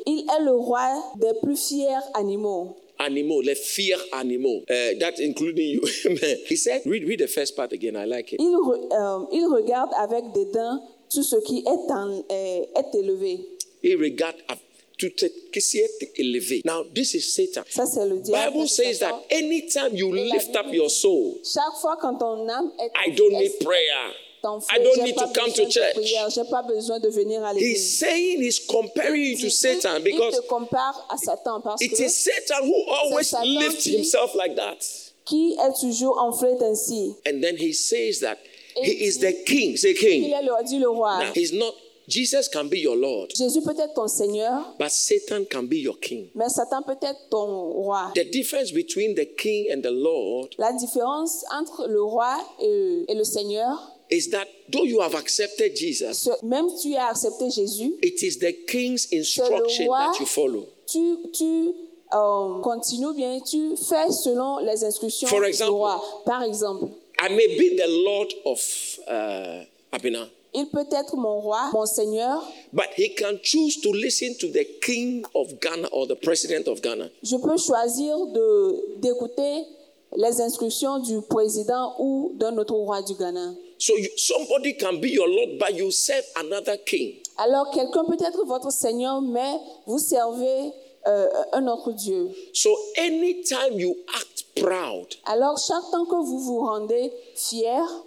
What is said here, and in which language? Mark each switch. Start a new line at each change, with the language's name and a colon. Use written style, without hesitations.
French: Il est le roi des plus fiers animaux. Animaux, les fiers animaux.
English: That including you. He said, read the first part again. I like it.
French: Il regarde avec dédain tout ce qui est est élevé. Il regarde tout ce qui est élevé.
English: Now, this is Satan.
French: Ça, c'est le diable.
English: Bible says that anytime you lift up your soul,
French: chaque fois quand ton âme est
English: I don't need prayer. I don't need to come to church.
French: J'ai pas besoin de venir à l'église.
English: He's saying he's comparing you to Satan because
French: il te compare à Satan parce
English: it is Satan who always lifts himself like that.
French: Qui est toujours enflé ainsi.
English: And then he says that he is the king. Say king.
French: Il est le roi, dit le roi.
English: Now, he's not. Jesus can be your Lord.
French: Jésus peut être ton Seigneur.
English: But Satan can be your king.
French: Mais Satan peut être ton roi.
English: The difference between the king and the Lord.
French: La différence entre le roi et le Seigneur.
English: Is that though you have accepted Jesus.
French: So, même tu as accepté Jésus.
English: It is the king's instruction
French: roi,
English: that you follow.
French: Tu continues bien. Tu fais selon les instructions
English: for example,
French: du roi. Par exemple.
English: I may be the Lord of Abina.
French: Il peut être mon roi, mon seigneur.
English: But he can choose to listen to the king of Ghana or the president of Ghana.
French: Je peux choisir d'écouter les instructions du président ou d'un autre roi du Ghana.
English: So somebody can be your Lord, but you serve another king.
French: Alors quelqu'un peut être votre seigneur, mais vous servez un autre dieu.
English: So anytime you act proud.
French: Alors chaque temps que vous vous rendez fier,